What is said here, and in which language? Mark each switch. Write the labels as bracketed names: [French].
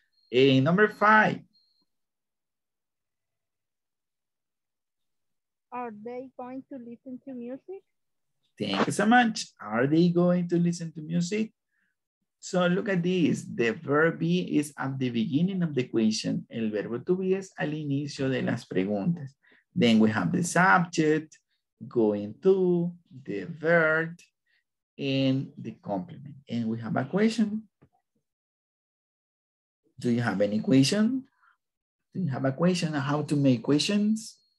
[English] And number five. Are they going to listen to music? Thank you so much. Are they going to listen to music? So look at this. The verb be is at the beginning of the question. [Spanish] El verbo to be es al inicio de las preguntas. [English] Then we have the subject, going to, the verb, and the complement. And we have a question. Do you have any question? Do you have a question on how to make questions?